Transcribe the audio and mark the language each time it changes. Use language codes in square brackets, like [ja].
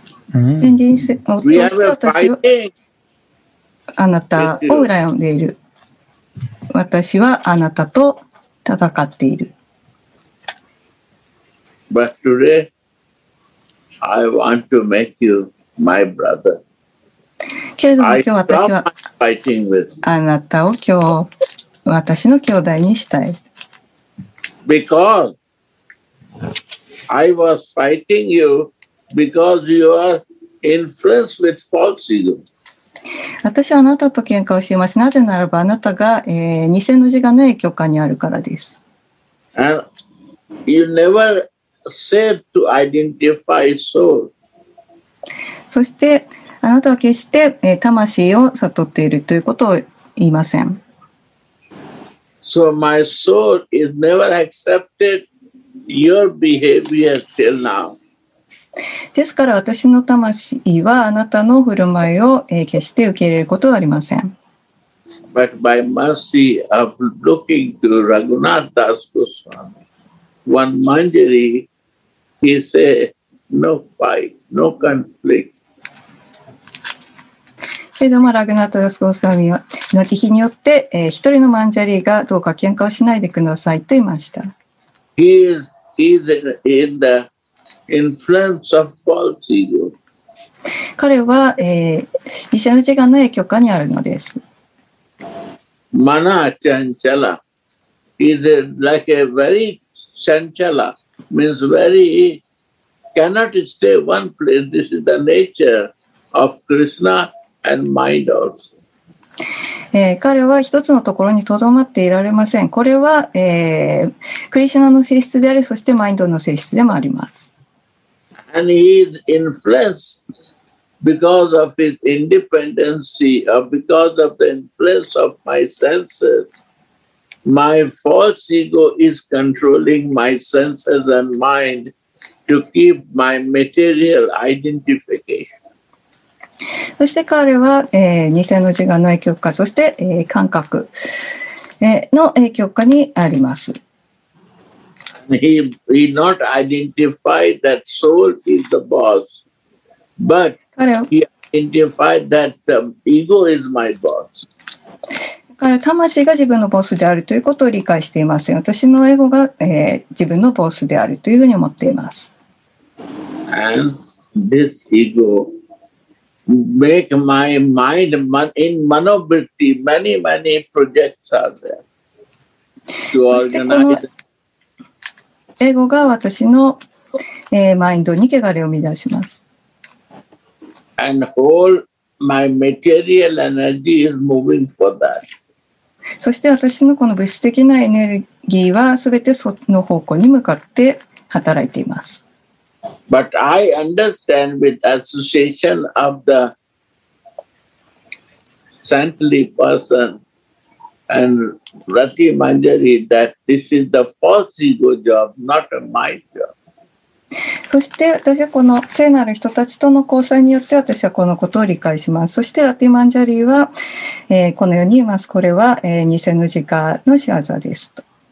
[ja] 先人を通して私はあなたを羨んでいる。私はあなたと戦っている。 [en] But today, I want to make you my brother. [ja] けれども今日私はあなたを今日私の兄弟にしたい。 [en] Because I was fighting you because you areInfluence with false ego. [ja] 私はあなたと喧嘩をしています。なぜならばあなたが、偽の自我の影響下にあるからです。 [en] And you never said to identify soul. [ja] そしてあなたは決して、魂を悟っているということを言いません。 [en] So my soul is never accepted your behavior till now. [ja] ですから私の魂はあなたの振る舞いを決して受け入れることはありません。 [en] But by mercy of looking to Raghunath Das Goswami, one manjari, he said, no fight, no conflict. [ja] けれども、ラグナータダスゴスワミの慈悲によって、一人のマンジャリがどうか喧嘩をしないでくださいと言いました。 [en] He is in theInfluence of false ego. [ja] 彼は、偽の自我の影響下にあるのです。 [en] Mana chanchala is like a very chanchala, means very cannot stay one place. This is the nature of Krishna and mind also. [ja] 彼は一つのところにとどまっていられません。これは、クリシュナの性質であり、そしてマインドの性質でもあります。 [en] And he is influenced because of his independency or because of the influence of my senses. My false ego is controlling my senses and mind to keep my material identification. [ja] そして彼は、偽の自我の影響下、そして、感覚、の影響下にあります。 [en] He not identified that soul is the boss, but he identified that ego is my boss. [ja] から魂が自分のボスであるということを理解していません。私のエゴが、自分のボスであるというふうに思っています。 [en] And this ego make my mind in manobritti many many projects are there to organize. [ja] エゴが私の、マインドに穢れを生み出します。 [en] And whole my material energy is moving for that. [ja] そして私のこの物質的なエネルギーはすべてその方向に向かって働いています。 [en] But I understand with association of the saintly person and Rati Manjari that this is the false ego job, not my job. [ja] そして私はこの聖なる人たちとの交際によって私はこのことを理解します。そしてラティマンジャリーは、このように言います。これは、偽の自我の仕業ですと。